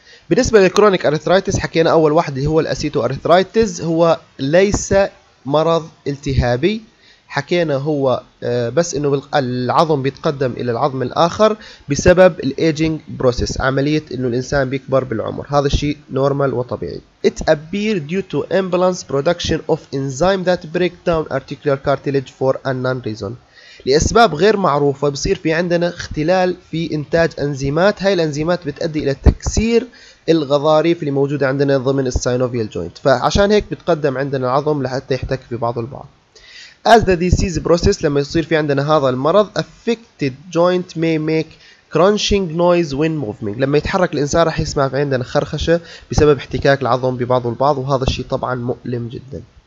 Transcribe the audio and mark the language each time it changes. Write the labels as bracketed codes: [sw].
[ar] بالنسبة للكرونيك أريثرايتس حكينا أول واحد اللي هو الأسيتو أريثرايتس هو ليس مرض التهابي، حكينا هو بس إنه العظم بيتقدم إلى العظم الآخر بسبب الإيجينج بروسيس، عملية إنه الإنسان بيكبر بالعمر، هذا الشيء نورمال وطبيعي. [en] It appears due to imbalance production of enzyme that break down articular cartilage for unknown reason. [ar] لأسباب غير معروفة بصير في عندنا اختلال في إنتاج أنزيمات، هاي الأنزيمات بتؤدي إلى تكسير الغضاريف اللي موجودة عندنا ضمن السينوفيال جوينت، فعشان هيك بتقدم عندنا العظم لحتى يحتك في بعض البعض. [en] As the disease process [ar] لما يصير في عندنا هذا المرض [en] affected joint may make crunching noise when moving، [ar] لما يتحرك الإنسان راح يسمع في عندنا خرخشة بسبب احتكاك العظم ببعض البعض وهذا الشيء طبعا مؤلم جدا.